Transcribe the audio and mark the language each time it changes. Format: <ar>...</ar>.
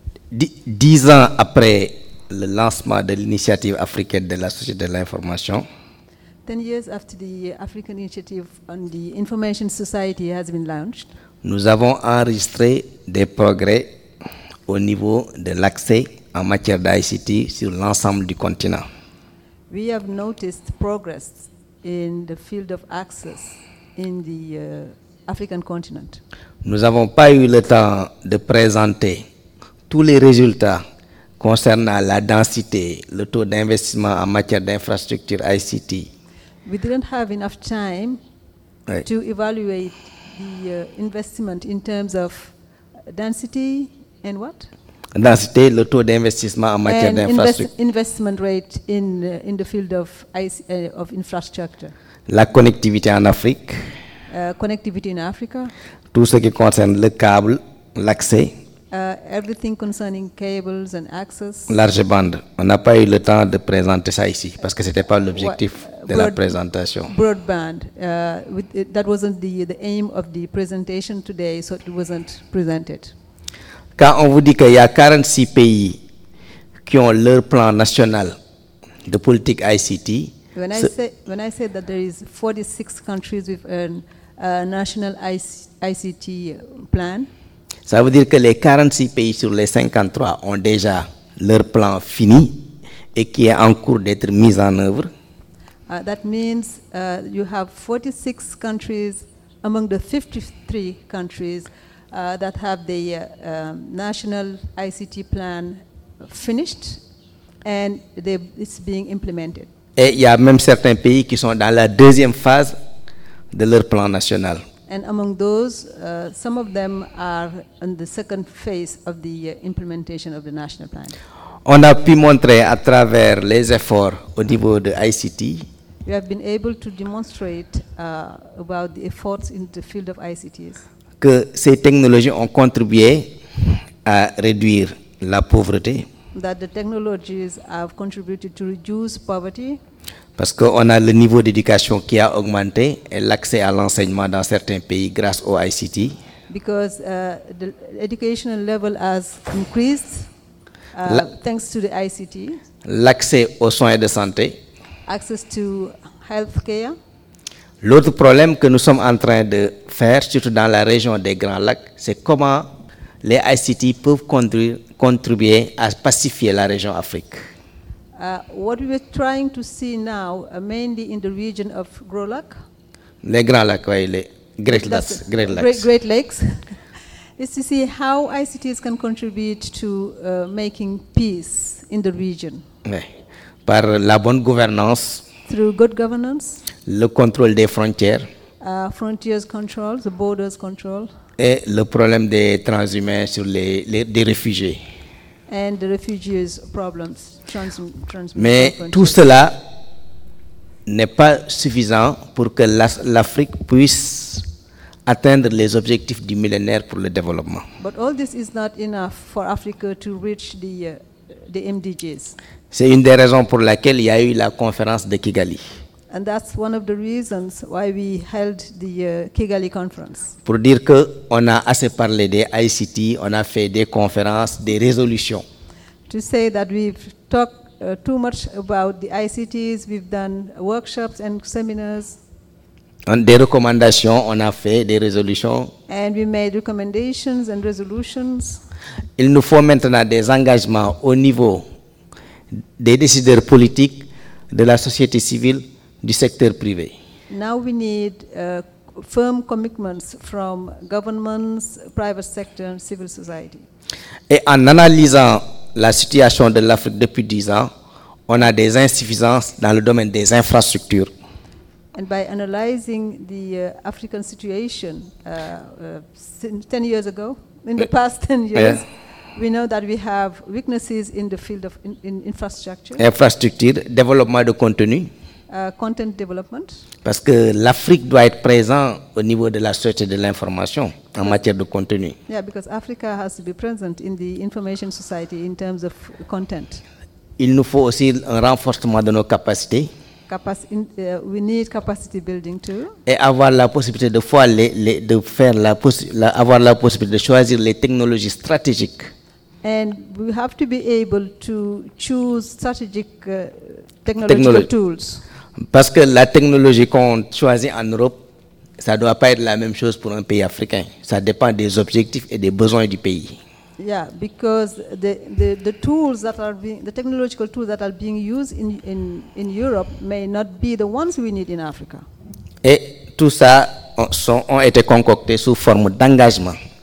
<fr>Dix ans après le lancement de l'initiative africaine de la société de l'information,</fr> <en>10 years after the African Initiative on the Information Society has been launched,</en> <fr>nous avons enregistré des progrès au niveau de l'accès en matière d'ICT sur l'ensemble du continent.</fr> <en>We have noticed progress in the field of access in the African continent.</en> <fr>Nous n'avons pas eu le temps de présenter tous les résultats concernant la densité, le taux d'investissement en matière d'infrastructure ICT.</fr> <en>We didn't have enough time to evaluate the investment in terms of density and what?</en> <fr>Densité, le taux d'investissement en matière d'infrastructure.</fr> <en>Investment rate in the field of of infrastructure.</en> <fr>La connectivité en Afrique.</fr> <en>Connectivity in Africa.</en> <fr>Tout ce qui concerne le câble, l'accès.</fr> <en>Everything concerning cables and access.</en> <fr>Large bande. On n'a pas eu le temps de présenter ça ici parce que c'était pas l'objectif de la présentation.</fr> <en>Broadband. That wasn't the aim of the presentation today, so it wasn't presented.</en> <fr>Quand on vous dit qu'il y a 46 pays qui ont leur plan national de politique ICT.</fr> <en>When I say that there is 46 countries with a national ICT plan.</en> <fr>Ça veut dire que les 46 pays sur les 53 ont déjà leur plan fini et qui est en cours d'être mis en œuvre.</fr> <en>That means you have 46 countries among the 53 countries that have the national ICT plan finished and it's being implemented.</en> <fr>Et il y a même certains pays qui sont dans la deuxième phase de leur plan national.</fr> <en>And among those, some of them are in the second phase of the implementation of the national plan.</en> <fr>On a pu montrer à travers les efforts au niveau de ICT.</fr> <en>We have been able to demonstrate about the efforts in the field of ICTs.</en> <fr>Que ces technologies ont contribué à réduire la pauvreté.</fr> <en>That the technologies have contributed to reduce poverty.</en> <fr>Parce qu'on a le niveau d'éducation qui a augmenté et l'accès à l'enseignement dans certains pays grâce au ICT.</fr> <en>Because the educational level has increased thanks to the ICT.</en> <fr>l'accès aux soins de santé.</fr> <en>Access to healthcare.</en> <fr>L'autre problème que nous sommes en train de faire, surtout dans la région des Grands Lacs, c'est comment les ICT peuvent contribuer à pacifier la région Afrique.</fr> <en>What we're trying to see now, mainly in the region of Grand Lac.</en> <fr>Les Grands Lacs, oui, les Great Lakes.</fr> <en>Great Lakes. Great Lakes. Is to see how ICTs can contribute to making peace in the region.</en> <fr>Oui. Par la bonne gouvernance.</fr> <en>Through good governance.</en> <fr>Le contrôle des frontières.</fr> <en>Frontiers control, the borders control.</en> <fr>Et le problème des transhumains sur les réfugiés.</fr> <en>And the refugees problems. Transhumains.</en> <fr>Mais tout cela n'est pas suffisant pour que l'Afrique puisse atteindre les objectifs du millénaire pour le développement.</fr> <en>But all this is not enough for Africa to reach the MDGs.</en> <fr>C'est une des raisons pour laquelle il y a eu la conférence de Kigali.</fr> <en>And that's one of the reasons why we held the Kigali conference.</en> <fr>Pour dire que on a assez parlé des ICT, on a fait des conférences, des résolutions.</fr> <en>To say that we've talked too much about the ICTs, we've done workshops and seminars.</en> <fr>Des recommandations, on a fait des résolutions.</fr> <en>And we made recommendations and resolutions.</en> <fr>Il nous faut maintenant des engagements au niveau des décideurs politiques, de la société civile, du secteur privé.</fr> <en>Now we need firm commitments from governments, private sector, and civil society.</en> <fr>Et en analysant la situation de l'Afrique depuis 10 ans, on a des insuffisances dans le domaine des infrastructures.</fr> <en>And by analyzing the African situation 10 years ago, in the past 10 years, yeah, we know that we have weaknesses in the field of infrastructure.</en> <fr>Infrastructure, développement de contenu.</fr> <en>Content development.</en> <fr>Parce que l'Afrique doit être présente au niveau de la société de l'information en matière de contenu.</fr> <en>Yeah, because Africa has to be present in the information society in terms of content.</en> <fr>Il nous faut aussi un renforcement de nos capacités.</fr> <en>We need capacity building too.</en> <fr>Et avoir la possibilité de voir de faire avoir la possibilité de choisir les technologies stratégiques.</fr> <en>And we have to be able to choose strategic technological tools.</en> <fr>Parce que la technologie qu'on choisit en Europe, ça doit pas être la même chose pour un pays africain. Ça dépend des objectifs et des besoins du pays.</fr> <en>Yeah, because the tools that are being, the technological tools that are being used in Europe may not be the ones we need in Africa.</en> <fr>Et tout ça ont été concoctés sous forme d'engagement.</fr>